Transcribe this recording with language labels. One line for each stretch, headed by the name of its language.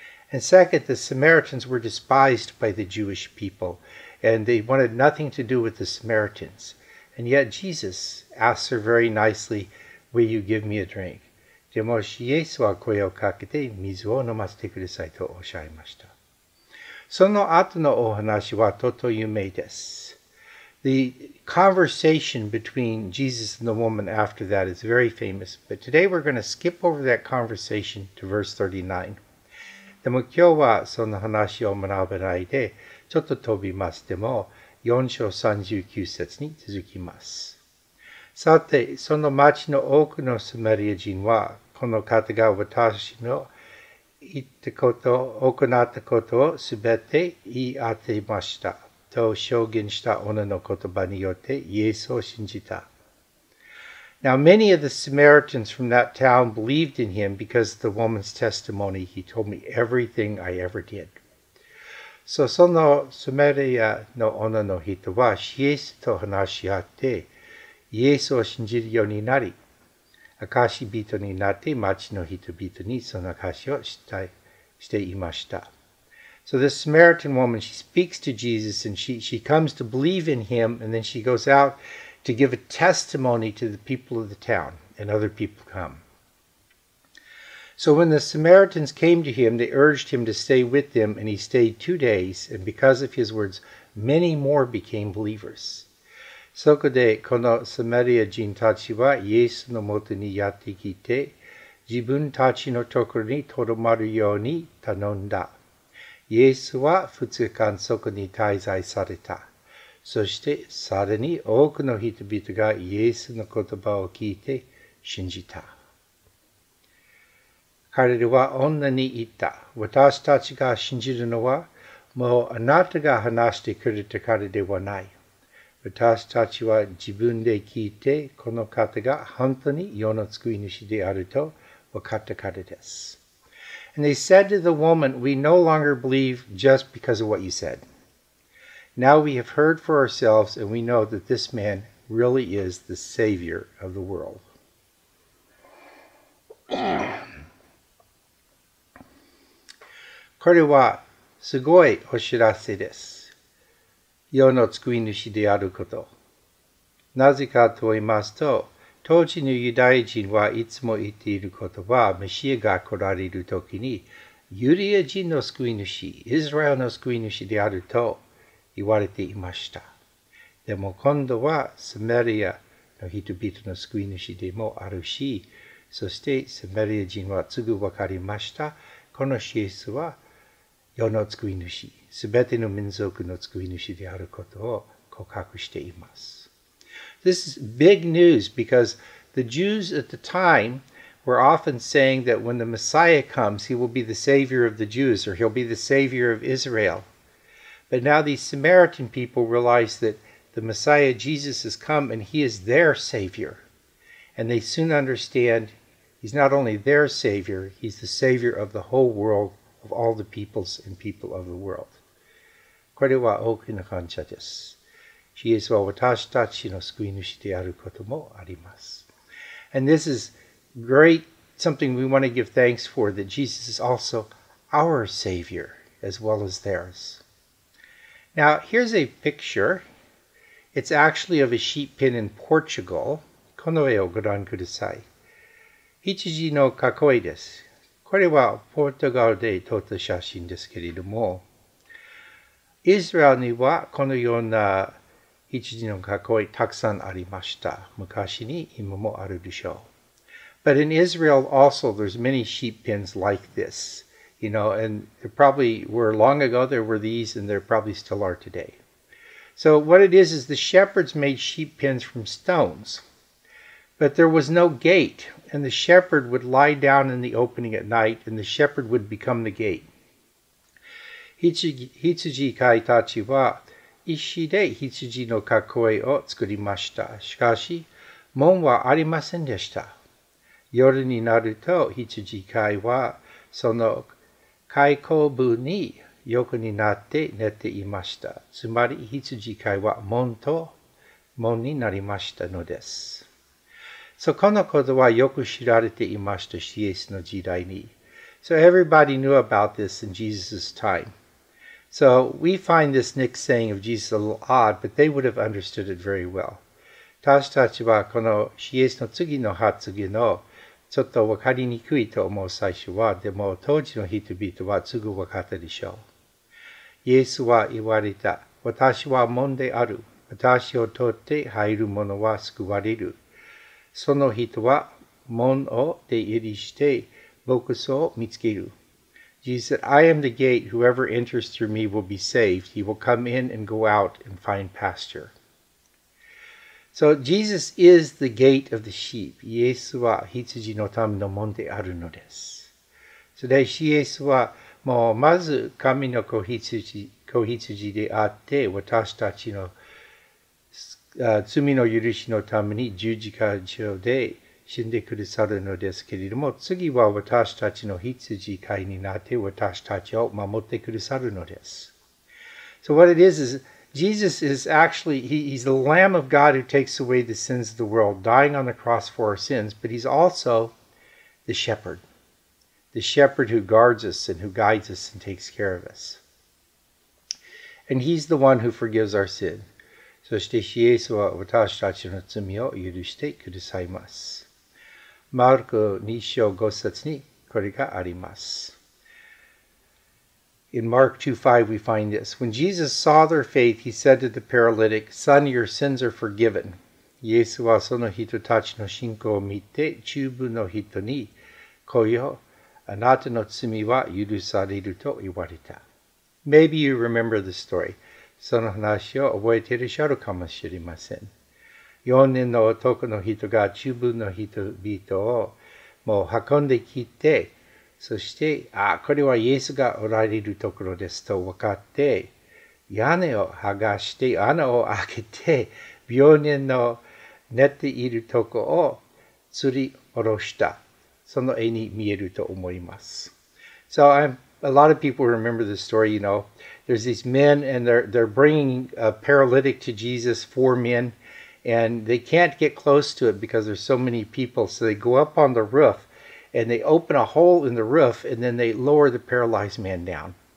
English: And second, the Samaritans were despised by the Jewish people, and they wanted nothing to do with the Samaritans. And yet Jesus asks her very nicely, Will you give me a drink?
Japanese: でもしイエスは声をかけて水を飲ませてくださいとおっしゃいました。その後のお話はとと有名です。
English: The conversation between Jesus and the woman after that is very famous, but today we're going to skip over that conversation to verse 39.
Japanese: でも今日はその話を学べないで、ちょっと飛びます。でも、4章39節に続きます。さて、その町の多くのサマリア人は、この方が私の言ったこと、行ったことをすべて言い当てました。と証言した女の言葉によってイエスを信じた。
English: Now many of the Samaritans from that town believed in him because of the woman's testimony. He told me everything I ever did.
Japanese: So, そのサマリアの女の人はイエスと話し合ってイエスを信じるようになり、証人になって町の人々にその証をしていました。
English: So this Samaritan woman, she speaks to Jesus and she comes to believe in him and then she goes out to give a testimony to the people of the town and other people come. So when the Samaritans came to him, they urged him to stay with them and he stayed 2 days and because of his words, many more became believers.
Japanese: そこでこのサマリア人たちはイエスのもとにやってきて自分たちのところにとどまるように頼んだ。イエスは2日間そこに滞在された。そしてさらに多くの人々がイエスの言葉を聞いて信じた。彼らは女に言った。私たちが信じるのはもうあなたが話してくれたからではない。私たちは自分で聞いてこの方が本当に世の救い主であると分かったからです。
English: And they said to the woman, we no longer believe just because of what you said. Now we have heard for ourselves and we know that this man really is the savior of the world.
Japanese: これはすごいお知らせです。世の救い主であること。なぜかと言いますと、当時のユダヤ人はいつも言っていることは、メシアが来られるときに、ユダヤ人の救い主、イスラエルの救い主であると言われていました。でも今度はサマリアの人々の救い主でもあるし、そしてサマリア人はすぐわかりました。このイエスは世の救い主、すべての民族の救い主であることを告白しています。
English: This is big news because the Jews at the time were often saying that when the Messiah comes, he will be the savior of the Jews or he'll be the savior of Israel. But now these Samaritan people realize that the Messiah Jesus has come and he is their savior. And they soon understand he's not only their savior, he's the savior of the whole world, of all the peoples and people of the world.
Japanese: これは大きな感謝です。イエスは私たちの救い主であることもあります。
English: And this is great, something we want to give thanks for, that Jesus is also our Savior, as well as theirs. Now, here's a picture. It's actually of a sheep pen in Portugal.
Japanese: この絵をご覧ください。羊の囲いです。これはポルトガルで撮った写真ですけれども、イスラエルにはこのような羊の囲いたくさんありました。昔に今もあるでしょう。
English: But in Israel also there's many sheep pens like this. You know, and there probably were long ago there were these and there probably still are today. So what it is the shepherds made sheep pens from stones. But there was no gate and the shepherd would lie down in the opening at night and the shepherd would become the gate.
Japanese: 羊飼いたちは石で羊の囲いを作りました。しかし、門はありませんでした。夜になると、羊飼いはその開口部に横になって寝ていました。つまり、羊飼いは門と門になりましたのです。 So, このことはよく知られていました、イエスの時代に。
English: So, everybody knew about this in Jesus' time. So we find this next saying of Jesus a little odd, but they would have understood it very well.
Japanese: 私たちはこのイエスの次の発言をちょっとわかりにくいと思う最初は、でも当時の人々はすぐわかったでしょう。イエスは言われた。私は門である。私を通って入る者は救われる。その人は門を出入りして牧草を見つける。
English: Jesus said, I am the gate. Whoever enters through me will be saved. He will come in and go out and find pasture. So Jesus is the gate of the sheep.
Japanese: イエスは羊のための門であるのです。 So でイエスはもうまず神の子羊であって、私たちの罪の許しのために十字架上で死んでくださるのですけれども、次は私たちの羊飼いになって私たちを守ってくださるのです。
English: So what it is Jesus is actually, he's the Lamb of God who takes away the sins of the world, dying on the cross for our sins, but he's also the shepherd. The shepherd who guards us and who guides us and takes care of us. And he's the one who forgives our sin.
Japanese: そしてイエスは私たちの罪を許してくださいます。マルコ2章5節にこれがあります。
English: In Mark 2:5 we find this. When Jesus saw their faith, he said to the paralytic, Son, your sins are forgiven.
Japanese: イエスはその人たちの信仰を見て、中部の人に、こよ、あなたの罪は許されると言われた。
English: Maybe you remember the story.
Japanese: その話を覚えていらっしゃるかもしれません。4人の男の人が中部の人々をもう運んできて、そして、これはイエスがおられるところですと分かって、屋根を剥がして、穴を開けて、病人の寝ているところを吊り下ろした。その絵に見えると思います。
English: So, a lot of people remember the story, you know. There's these men, and they're bringing a paralytic to Jesus, four men, and they can't get close to it because there's so many people. So they go up on the roof. And they open a hole in the roof, and then they lower the paralyzed man down.